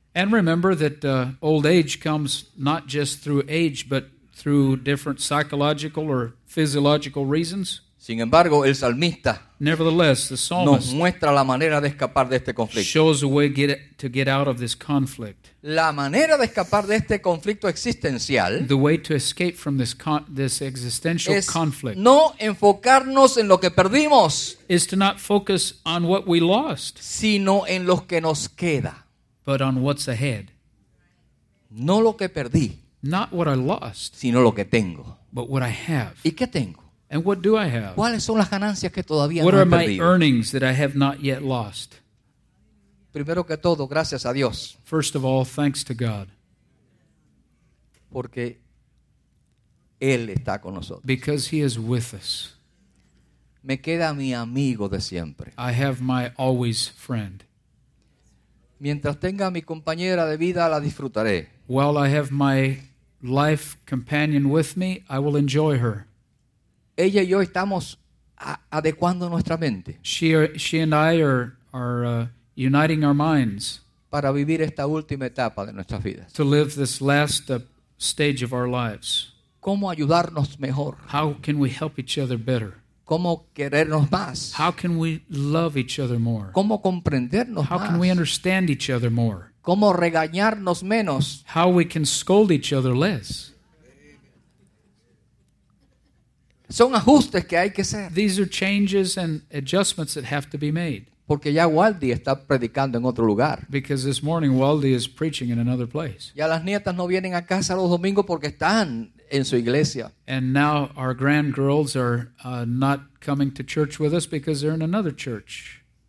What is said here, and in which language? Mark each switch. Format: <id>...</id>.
<en>And remember that old age comes not just through age, but through different psychological or physiological reasons.</en> <es>Sin embargo, el salmista</es> <en>nevertheless, the psalmist</en> <es>nos muestra la manera de escapar de este conflicto.</es> <en>Shows a way to get out of this conflict.</en> <es>La manera de escapar de este conflicto existencial,</es> <en>the way to escape from this this existential</en> <es>es</es> <en>conflict,</en> <es>no enfocarnos en lo que perdimos,</es> <en>is to not focus on what we lost,</en> <es>sino en lo que nos queda,</es> <en>but on what's ahead.</en> <es>No lo que perdí,</es> <en>not what I lost,</en> <es>sino lo que tengo,</es> <en>but what I have.</en> <es>¿Y qué tengo?</es> <en>And what do I have?</en> <es>¿Cuáles son las ganancias que todavía</es> <en>what</en> <es>no</es> <en>are</en> <es>he</es> <en>my</en> <es>perdido?</es> <en>Earnings that I have not yet lost?</en> <es>Primero que todo, gracias a Dios.</es> <en>First of all, thanks to God.</en> <es>Porque Él está con nosotros.</es> <en>Because He is with us.</en> <es>Me queda mi amigo de siempre.</es> <en>I have my always friend.</en> <es>Mientras tenga mi compañera de vida, la disfrutaré.</es> <en>While I have my life companion with me, I will enjoy her.</en> <es>Ella y yo estamos adecuando nuestra mente.</es> <en>She and I are uniting our minds.</en> <es>Para vivir esta última etapa de nuestras vidas.</es> <en>To live this last stage of our lives.</en> <es>¿Cómo ayudarnos mejor?</es> <en>How can we help each other better?</en> <es>¿Cómo querernos más?</es> <en>How can we love each other more?</en> <es>¿Cómo comprendernos</es> <en>How</en> <es>más?</es> <en>Can we understand each other more?</en> <es>¿Cómo regañarnos menos?</es> <en>How we can scold each other less?</en> <es>Son ajustes que hay que hacer.</es> <en>These are changes and adjustments that have to be made.</en> <es>Porque ya Waldy está predicando en otro lugar.</es> <en>Because this morning Waldy is preaching in another place.</en> <es>Ya las nietas no vienen a casa los domingos porque están en su iglesia.</es> <en>And now our grandgirls are not coming to church with us because they're in another church.</en>